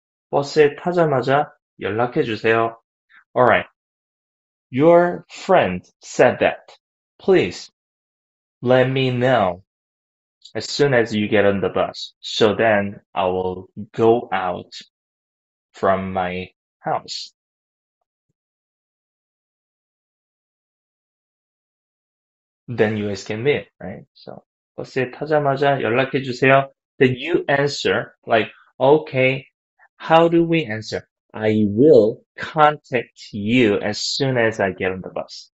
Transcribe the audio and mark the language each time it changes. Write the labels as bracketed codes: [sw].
[ko] 버스에 타자마자 연락해 주세요. [en] Alright. Your friend said that. Please let me know as soon as you get on the bus. So then I will go out from my house. Then you guys can meet, right? [ko] So, 버스에 타자마자 연락해 주세요. [en] Then you answer like, okay, how do we answer? I will contact you as soon as I get on the bus.